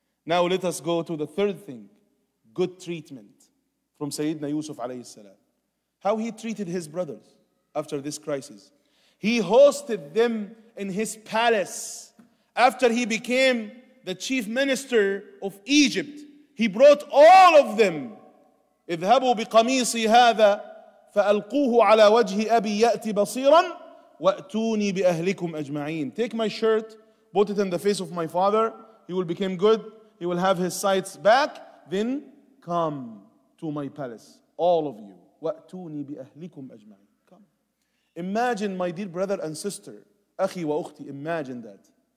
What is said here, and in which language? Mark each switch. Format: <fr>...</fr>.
<en>Now let us go to the third thing, good treatment from Sayyidina Yusuf alayhi salam. How he treated his brothers after this crisis. He hosted them in his palace. After he became the chief minister of Egypt, he brought all of them.</en> <ar>اذهبوا بقميصي هذا فألقوه على وجه أبي يأتي بصيرا وأتوني بأهلكم أجمعين.</ar> <en>Take my shirt, put it in the face of my father. He will become good. He will have his sights back. Then come to my palace, all of you.</en> <ar>وأتوني بأهلكم أجمعين.</ar> <en>Come. Imagine, my dear brother and sister,</en> <ar>أخي وأختي,</ar> <en>imagine that.</en>